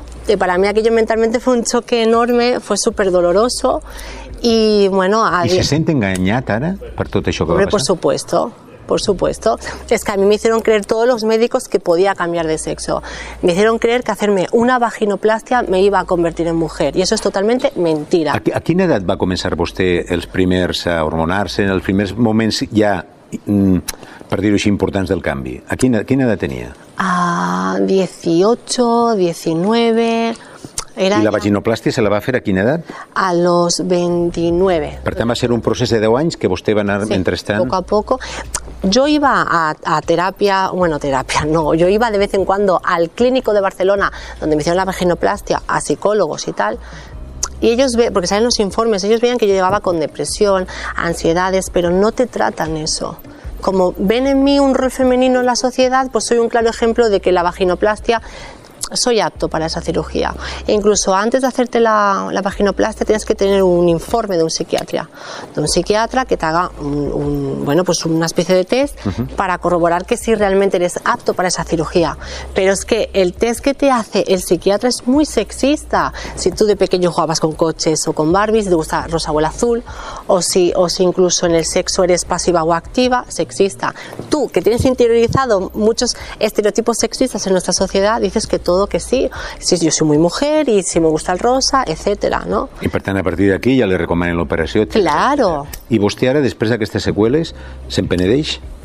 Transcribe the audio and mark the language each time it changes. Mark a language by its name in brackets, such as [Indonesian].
[Spanish] Y para mí aquello mentalmente fue un choque enorme, fue súper doloroso. Y bueno, ¿Y se siente engañada ahora por todo eso que va a pasar? Por supuesto. Por supuesto, es que a mí me hicieron creer todos los médicos que podía cambiar de sexo. Me hicieron creer que hacerme una vaginoplastia me iba a convertir en mujer, y eso es totalmente mentira. [Catalan] ¿A quina edat va començar vostè els primers a hormonar-se, en els primers moments ja, per dir-ho així, importants del canvi? ¿A quina edat tenia? A 18, 19... Era I la vaginoplàstia se la va fer a quina edat? [Spanish] A los 29. [Catalan] Per tant, va ser un procés de 10 anys que vostè va anar sí, mentrestant... [Spanish] Sí, poco a poco. Yo iba a terapia, bueno, terapia no, yo iba de vez en cuando al clínico de Barcelona donde me hicieron la vaginoplastia, a psicólogos y tal, y ellos, porque salen los informes, ellos veían que yo llevaba con depresión, ansiedades, pero no te tratan eso. Como ven en mí un rol femenino en la sociedad, pues soy un claro ejemplo de que la vaginoplastia, soy apto para esa cirugía. E incluso antes de hacerte la vaginoplastia tienes que tener un informe de un psiquiatra. De un psiquiatra que te haga pues una especie de test para corroborar que sí realmente eres apto para esa cirugía. Pero es que el test que te hace el psiquiatra es muy sexista. Si tú de pequeño jugabas con coches o con Barbies, te gusta rosa o el azul, o si incluso en el sexo eres pasiva o activa, sexista. Tú, que tienes interiorizado muchos estereotipos sexistas en nuestra sociedad, dices que todo que sí, si yo soy muy mujer y si me gusta el rosa, etcétera, ¿no? [Catalan] Y per tant, a partir d'aquí ja li recomanen l'operació. [Spanish] Claro. [Catalan] I vostè ara, després d'aquestes seqüeles, se'n penedeix?